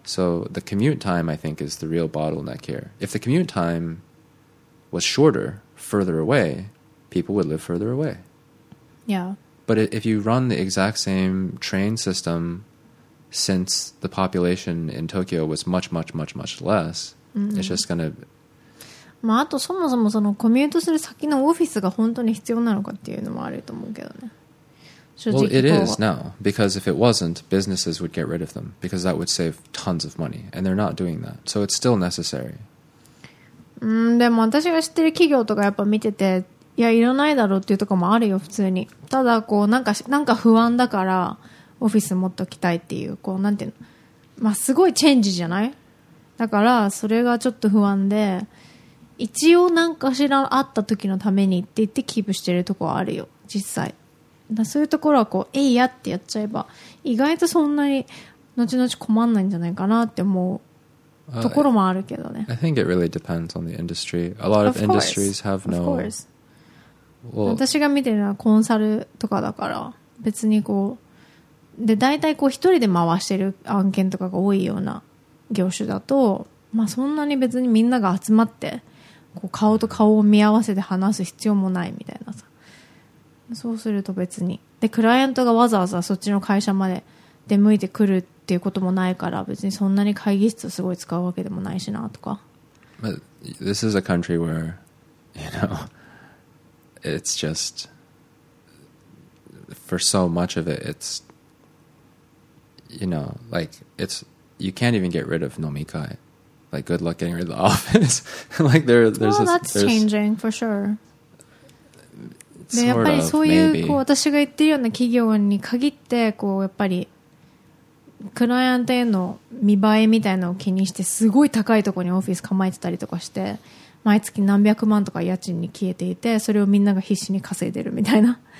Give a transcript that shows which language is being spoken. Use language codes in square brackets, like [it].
[en] So the commute time, I think, is the real bottleneck here. If the commute time was shorter, further away, people would live further away. Yeah. But if you run the exact same train system since the population in Tokyo was much, much, much, much less, mm-hmm. it's just going to... [ja] まあ、あとそもそもそのコミュートする先のオフィスが本当に必要なのかっていうのもあると思うけどね。正直 [en] Well, it is now. Because if it wasn't, businesses would get rid of them. Because that would save tons of money. And they're not doing that. So it's still necessary. [ja] でも私が知ってる企業とかやっぱ見てて、いや、いらないだろうっていうところもあるよ、普通に。ただ、こう、なんか不安だから、オフィス持っときたいっていう、こう、なんていうの。まあ、すごいチェンジじゃない?だから、それがちょっと不安で、一応なんかしらあった時のためにって言ってキープしてるとこはあるよ実際だそういうところはこうえいやってやっちゃえば意外とそんなに後々困んないんじゃないかなって思うところもあるけどね [en] I think it really depends on the industry A lot of industries have no Of course well, [ja] 私が見てるのはコンサルとかだから別にこうで大体こう一人で回してる案件とかが多いような業種だとまあそんなに別にみんなが集まってこう顔と顔を見合わせて話す必要もないみたいなさそうすると別にでクライアントがわざわざそっちの会社まで出向いてくるっていうこともないから別にそんなに会議室をすごい使うわけでもないしなとか [en] But this is a country where you know it's just for so much of it it's you know like it's you can't even get rid of nomikai Like, good luck getting rid of the office. like, there's well, that's changing, for sure. Sort of, maybe. [ja] そういう、こう、私が言ってるような企業に限って、こう、やっぱり、クライアントへの見栄えみたいなのを気にして、すごい高いところにオフィス構えてたりとかして、毎月何百万とか家賃に消えていて、それをみんなが必死に稼いでるみたいな。